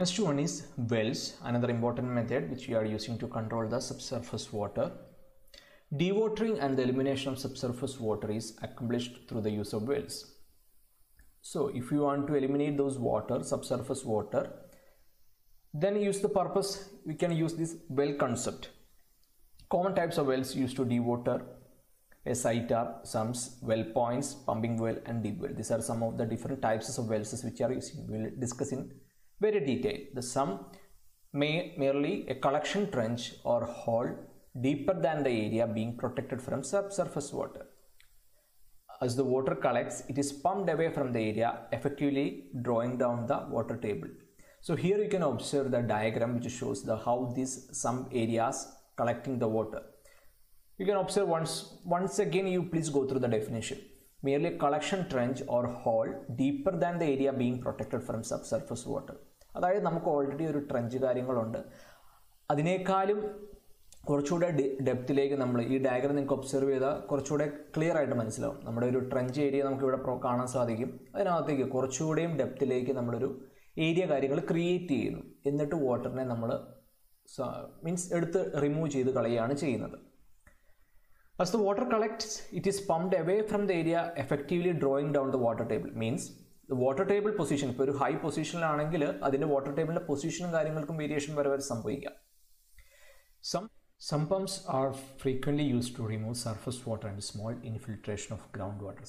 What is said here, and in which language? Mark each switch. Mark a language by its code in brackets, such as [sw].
[en] Next one is wells, another important method which you are using to control the subsurface water. Dewatering and the elimination of subsurface water is accomplished through the use of wells. So if you want to eliminate those water, subsurface water, then use the purpose we can use this well concept. Common types of wells use to dewater SITR, sumps, well points, pumping well and deep well. These are some of the different types of wells which are using. We will discuss in very detail. The sump may merely a collection trench or hole deeper than the area being protected from subsurface water. As the water collects, it is pumped away from the area, effectively drawing down the water table. So here you can observe the diagram which shows the how these sump areas collecting the water. You can observe once again you please go through the definition. Merely a collection trench or hole deeper than the area being protected from subsurface water. [ml] അതായത് നമുക്ക് already ഒരു trench കാര്യങ്ങളുണ്ട്, അതിനേക്കാളും കുറച്ചുകൂടെ ഡെപ്തിലേക്ക് നമ്മൾ ഈ diagram നിങ്ങൾക്ക് observe ചെയ്താൽ കുറച്ചുകൂടെ ക്ലിയർ ആയിട്ട് മനസ്സിലാവും. നമ്മുടെ ഒരു ട്രെഞ്ച് ഏരിയ നമുക്ക് ഇവിടെ കാണാൻ സാധിക്കും, അതിനകത്തേക്ക് കുറച്ചുകൂടെയും ഡെപ്തിലേക്ക് നമ്മളൊരു ഏരിയ കാര്യങ്ങൾ ക്രിയേറ്റ് ചെയ്യുന്നു, എന്നിട്ട് വാട്ടറിനെ നമ്മൾ മീൻസ് എടുത്ത് റിമൂവ് ചെയ്ത് കളയുകയാണ് ചെയ്യുന്നത്. [en] As the water collects, it is pumped away from the area, effectively drawing down the water table. Means, the water table position, if you have a high position, you can see the water table position and variation wherever some way. Some pumps are frequently used to remove surface water and small infiltration of groundwater.